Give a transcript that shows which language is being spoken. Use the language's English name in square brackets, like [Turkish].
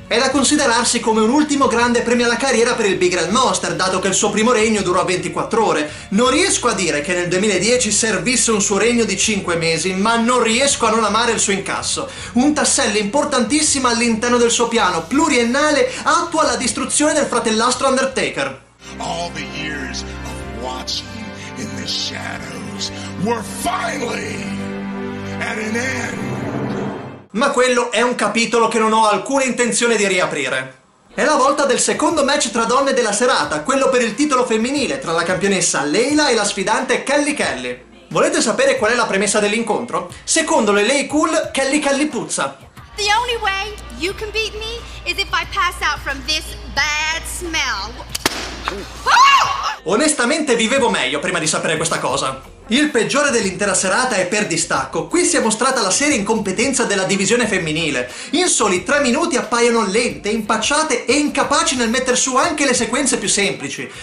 [Italian] È da considerarsi come un ultimo grande premio alla carriera per il Big Red Monster, dato che il suo primo regno durò 24 ore. Non riesco a dire che nel 2010 servisse un suo regno di 5 mesi, ma non riesco a non amare il suo incasso. Un tassello importantissimo all'interno del suo piano pluriennale atto alla distruzione del fratellastro Undertaker. [English] All the years of watching in the shadows were finally at an end. [Italian] Ma quello è un capitolo che non ho alcuna intenzione di riaprire. È la volta del secondo match tra donne della serata, quello per il titolo femminile tra la campionessa Layla e la sfidante Kelly Kelly. Volete sapere qual è la premessa dell'incontro? Secondo le Lay Cool, Kelly Kelly puzza. [English] The only way you can beat me is if I pass out from this bad smell. [Italian] Onestamente vivevo meglio prima di sapere questa cosa. Il peggiore dell'intera serata è per distacco. Qui si è mostrata la seria incompetenza della divisione femminile. In soli 3 minuti appaiono lente, impacciate e incapaci nel mettere su anche le sequenze più semplici.